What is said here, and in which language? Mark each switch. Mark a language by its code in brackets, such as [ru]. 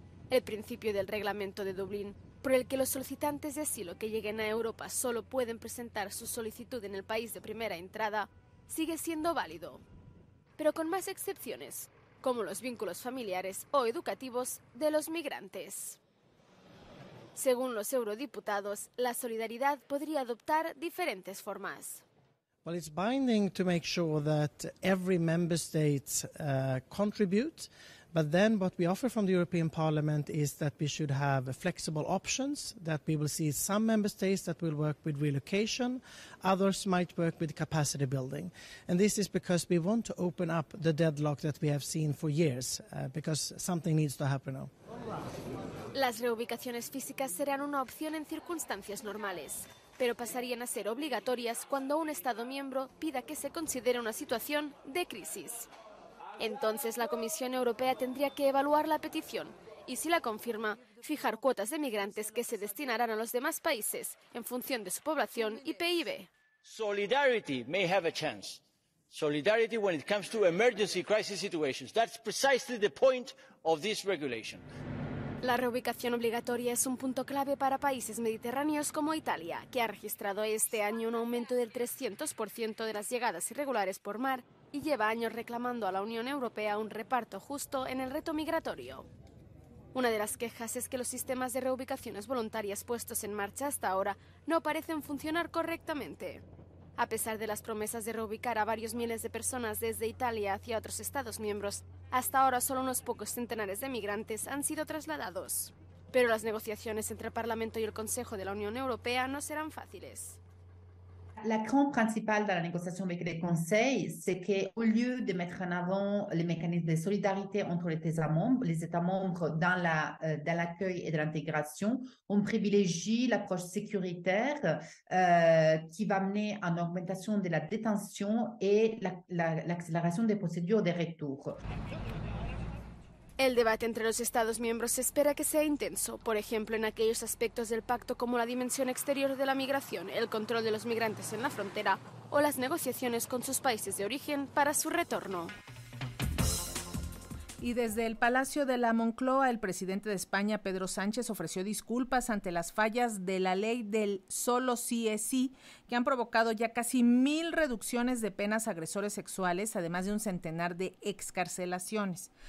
[es] El principio del Reglamento de Dublín, por el que los solicitantes de asilo que lleguen a Europa solo pueden presentar su solicitud en el país de primera entrada, sigue siendo válido, pero con más excepciones, como los vínculos familiares o educativos de los migrantes. Según los eurodiputados, la solidaridad podría adoptar diferentes formas. [en] Well, it's binding to make sure that every member state contribute. But then what we offer from the European Parliament is that we should have flexible options, that we will see some member states that will work with relocation, others might work with capacity building. And this is because we want to open up the deadlock that we have seen for years, because something needs to happen now. [es] Las reubicaciones físicas serán una opción en circunstancias normales, pero pasarían a ser obligatorias cuando un Estado miembro pida que se considere una situación de crisis. Entonces la Comisión Europea tendría que evaluar la petición y, si la confirma, fijar cuotas de migrantes que se destinarán a los demás países en función de su población y PIB. [en] Solidarity may have a chance. Solidarity when it comes to emergency crisis situations. That's precisely the point of this regulation. [es] La reubicación obligatoria es un punto clave para países mediterráneos como Italia, que ha registrado este año un aumento del 300% de las llegadas irregulares por mar y lleva años reclamando a la Unión Europea un reparto justo en el reto migratorio. Una de las quejas es que los sistemas de reubicaciones voluntarias puestos en marcha hasta ahora no parecen funcionar correctamente. A pesar de las promesas de reubicar a varios miles de personas desde Italia hacia otros Estados miembros, hasta ahora solo unos pocos centenares de migrantes han sido trasladados. Pero las negociaciones entre el Parlamento y el Consejo de la Unión Europea no serán fáciles. La clave principal de la negociación [fr] avec le Conseil, c'est que au lieu de mettre en avant les mécanismes de solidarité entre les États membres, dans la dans l'accueil et de l'intégration, on privilégie l'approche sécuritaire qui va mener à une augmentation de la détention et l'accélération des procédures de retour. [es] El debate entre los Estados miembros se espera que sea intenso, por ejemplo, en aquellos aspectos del pacto como la dimensión exterior de la migración, el control de los migrantes en la frontera o las negociaciones con sus países de origen para su retorno. Y desde el Palacio de la Moncloa, el presidente de España, Pedro Sánchez, ofreció disculpas ante las fallas de la ley del solo sí es sí, que han provocado ya casi 1,000 reducciones de penas a agresores sexuales, además de un centenar de excarcelaciones.